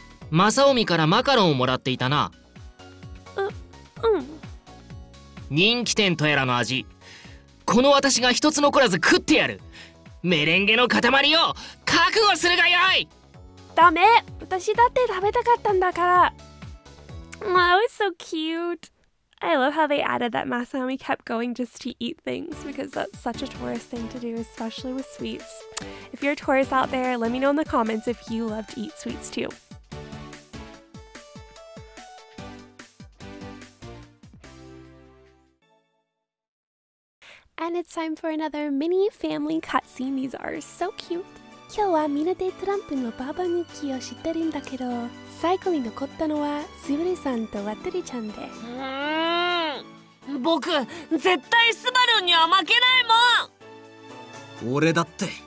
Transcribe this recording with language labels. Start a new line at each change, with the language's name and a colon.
Japanese: マサオミからマカロンをもらっていたな。うん。人気店とやらの味、この私が一つ残らず食ってやる。メレンゲの塊を覚悟するがよい。ダメ、私だって食べたかったんだから。
English: That was so cute. I love how they added that Masami kept going just to eat things, because that's such a tourist thing to do, especially with sweets. If you're a tourist out there, let me know in the comments if you love to eat sweets too. And it's time for another mini family cutscene. These are so cute.
Japanese: 今日はみんなでトランプのババ抜きを知ってるんだけど、最後に残ったのはスバルさんとワトリちゃんで。僕絶対スバルには負けないもん。俺だって。